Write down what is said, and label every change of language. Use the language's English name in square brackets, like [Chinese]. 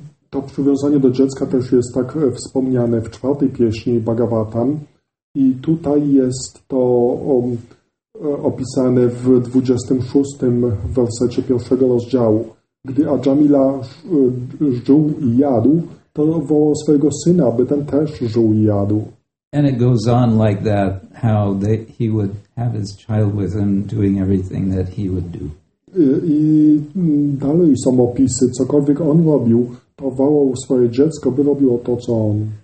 [Polish] To przywiązanie do dziecka też jest tak wspomniane w czwartej pieśni Bhagavatam i tutaj jest to opisane w 26 wersecie pierwszego rozdziału. Gdy Ajamila żuł i jadł, to wołał swojego syna, aby ten też żuł i jadł. [English] And it goes on like that, how they, he would have his child with him doing everything that he would do. [Polish] I dalej są opisy, cokolwiek on robił, to wołał swoje dziecko, by robiło to, co on.